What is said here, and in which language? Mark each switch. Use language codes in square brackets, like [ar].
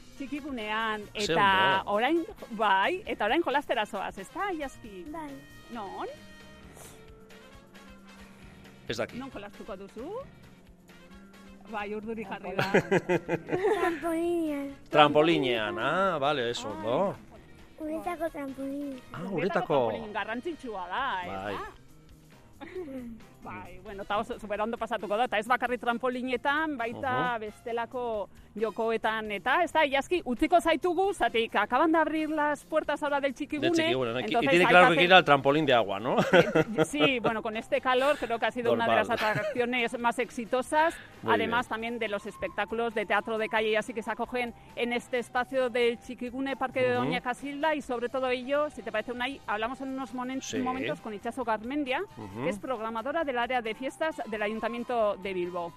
[eu] Txikigunean, eta orain, bai, eta orain jolastera zoaz, [es] ¿está Illaski? [eu] Bai. ¿Non? Ez daki. Non jolastuko duzu? Bai, urduri jarri da. Trampolinean. [es] Trampolinean, ah, vale, eso, ¿no? [eu] Uretako trampolin. Ah, uretako. Trampolin garrantzitsua da, ez da? Bai, bueno, eta oso superondo pasatuko da, eta ez bakarri trampolinetan, baita bestelako jokoetan, eta ez da, Illaski, utziko zaitugu, zatik, [es] acaban de abrir las puertas ahora del Txikigune. Del Txikigune, y tiene claro que ir al trampolín de agua, ¿no? Sí, bueno, con este calor creo que ha sido una de las atracciones más exitosas, además también de los espectáculos de teatro de calle, y así que se acogen en este espacio del Txikigune, Parque de Doña Casilda, y sobre todo ello, si te parece, Unai, hablamos en unos momentos con Itxaso Garmendia, que es programadora del área de fiestas del Ayuntamiento de Bilbao.